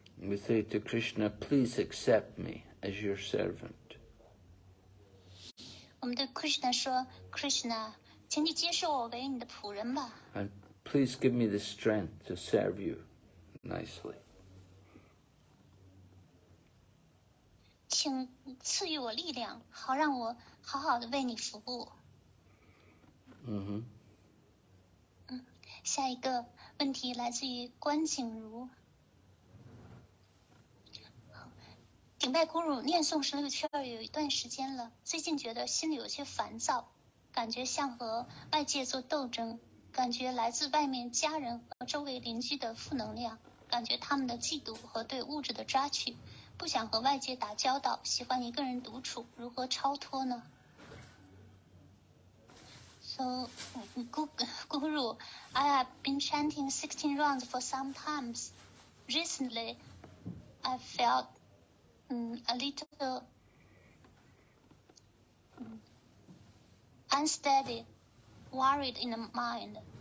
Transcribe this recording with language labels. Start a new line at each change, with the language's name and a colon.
English: We say to Krishna, please accept me as your servant.
Chinese: 我们对 Krishna 说 ，Krishna， 请你接受我为你的仆人吧。
English: And please give me the strength to serve you nicely.
Chinese: 请赐予我力量，好让我好好的为你服务。嗯哼。下一个问题来自于关景如。顶拜咕噜念诵十六圈有一段时间了，最近觉得心里有些烦躁，感觉像和外界做斗争，感觉来自外面家人和周围邻居的负能量，感觉他们的嫉妒和对物质的抓取，不想和外界打交道，喜欢一个人独处，如何超脱呢？
English: So, Guru, I have been chanting 16 rounds for some time. Recently, I felt a little unsteady, worried in the mind.